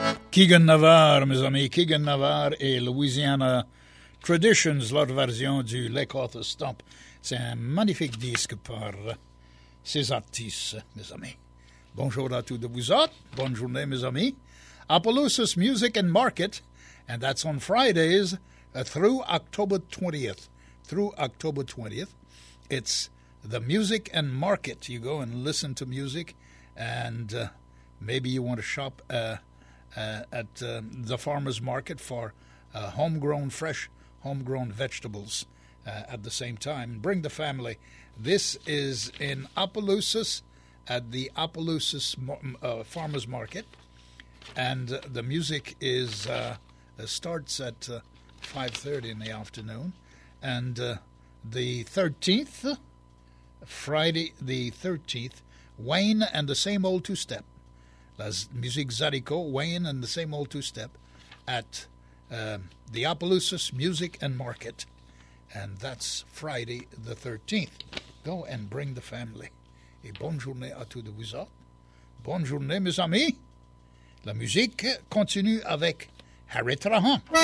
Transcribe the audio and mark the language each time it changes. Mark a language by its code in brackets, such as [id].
[fr] Keegan Navarre, mes amis. Keegan Navarre et Louisiana Traditions, leur version du Lake Arthur Stomp. C'est un magnifique disque par ces artistes, mes amis. Bonjour à tous de vous autres. Bonne journée, mes amis. [en] Appaloosa's Music and Market, and that's on Fridays through October 20th. Through October 20th, it's the Music and Market. You go and listen to music, and maybe you want to shop at the farmer's market for homegrown vegetables at the same time. Bring the family. This is in Appaloosa's, at the Appaloosa's Farmer's Market. And the music is starts at 5:30 in the afternoon. And the 13th, Friday the 13th, Wayne and the Same Old Two-Step. That's Music Zarico, Wayne and the Same Old Two-Step at the Appaloosa's Music and Market. And that's Friday the 13th. Go and bring the family. [fr] Et bonne journée à tous de vous autres. Bonne journée, mes amis. La musique continue avec Harry Trahan.